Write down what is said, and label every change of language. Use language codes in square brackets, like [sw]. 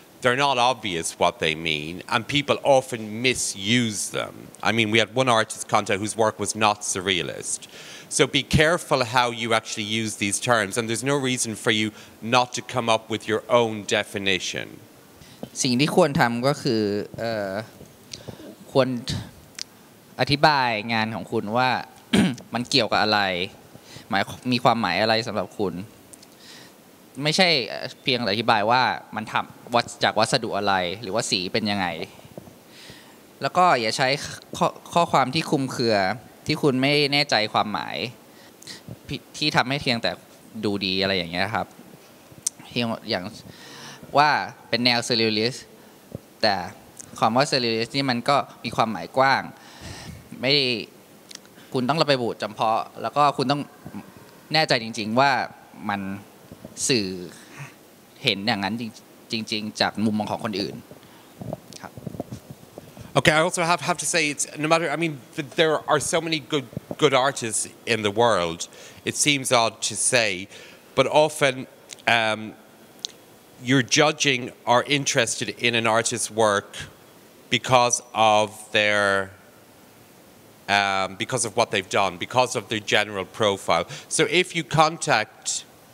[en] They're not obvious what they mean, and people often misuse them. I mean, we had one artist contact whose work was not surrealist. So be careful how you actually use these terms, and there's no reason for you not to come up with your own definition. [th] สิ่งที่ควรทำก็คือควรอธิบายงานของคุณว่า มันเกี่ยวกับอะไรหมายมีความหมายอะไรสำหรับคุณไม่ใช่เพียงอธิบายว่ามันทำวัสจากวัสดุอะไรหรือว่าสีเป็นยังไง แล้วก็อย่าใช้ข้อความที่คลุมเครือที่คุณไม่แน่ใจความหมายที่ทำให้เพียงแต่ดูดีอะไรอย่างเงี้ยครับเพียงอย่างว่าเป็นแนวเซอร์เรียลลิสต์แต่ความว่าเซอร์เรียลลิสต์นี่มันก็มีความหมายกว้างไม่คุณต้องระบุจำเพาะแล้วก็คุณต้องแน่ใจจริงๆว่ามันสื่อเห็นอย่างนั้นจริงๆจากมุมมองของคนอื่นครับ [en] Okay, I also have to say it's no matter I mean there are so many good artists in the world it seems odd to say but often you're judging or interested in an artist's work because of their because of what they've done because of their general profile so if you contact